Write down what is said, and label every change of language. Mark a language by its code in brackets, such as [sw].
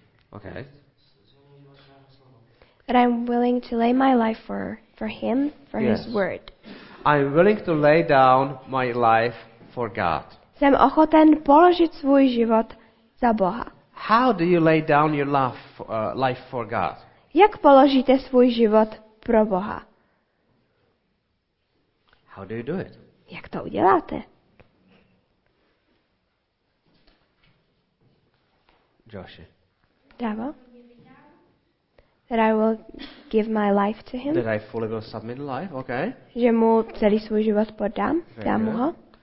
[en] Okay. That I'm willing to lay my life for him, for yes. His word. I'm willing to lay down my life for God. [cs] Jsem ochoten položit svůj život za Boha. [en] How do you lay down your life for God? [cs] Jak položíte svůj život pro Boha? [en] How do you do it? [cs] Jak to uděláte? Joshi. Davo. [en] That I will give my life to him. That I fully will submit life, okay. [cs] Že mu celý svůj život podám, dám mu ho.